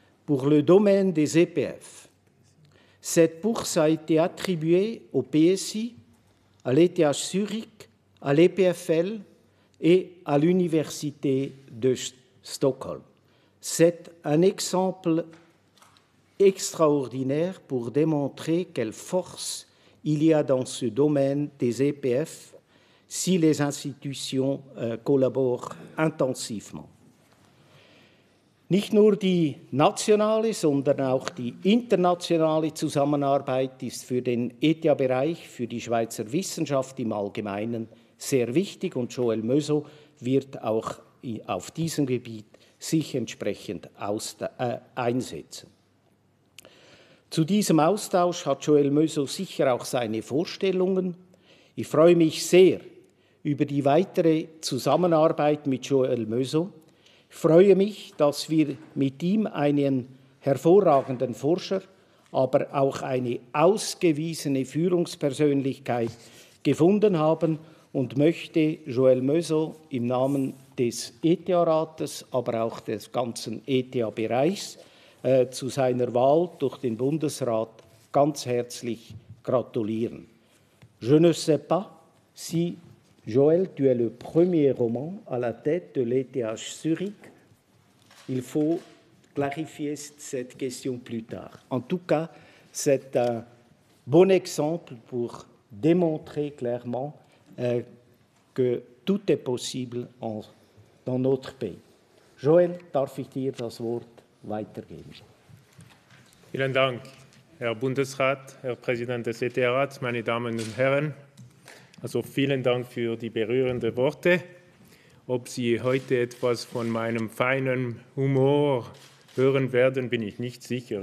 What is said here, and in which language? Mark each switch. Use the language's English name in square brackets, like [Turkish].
[French] pour le domaine des EPF. Cette bourse a été attribuée au PSI, à l'ETH Zurich, à l'EPFL et à l'Université de Stockholm. C'est un exemple extraordinaire pour démontrer quelle force il y a dans ce domaine des EPF si les institutions collaborent intensivement. [German] Nicht nur die nationale, sondern auch die internationale Zusammenarbeit ist für den ETH-Bereich, für die Schweizer Wissenschaft im Allgemeinen sehr wichtig und Joël Mösot wird auch auf diesem Gebiet sich entsprechend einsetzen. Zu diesem Austausch hat Joël Mösot sicher auch seine Vorstellungen. Ich freue mich sehr über die weitere Zusammenarbeit mit Joël Mösot. Ich freue mich, dass wir mit ihm einen hervorragenden Forscher, aber auch eine ausgewiesene Führungspersönlichkeit gefunden haben und möchte Joël Mösot im Namen des ETH-Rates, aber auch des ganzen ETH-Bereichs zu seiner Wahl durch den Bundesrat ganz herzlich gratulieren. [French] Je ne sais pas si Joël, tu es le premier roman à la tête de l'ETH Zurich. Il faut clarifier cette question plus tard. En tout cas, c'est un bon exemple pour démontrer clairement que tout est possible dans notre pays. [German] Joël, darf ich dir das Wort weitergeben? Vielen Dank, Herr Bundesrat, Herr Präsident des ETH-Rats, meine Damen und Herren. Also vielen Dank für die berührenden Worte. Ob Sie heute etwas von meinem feinen Humor hören werden, bin ich nicht sicher.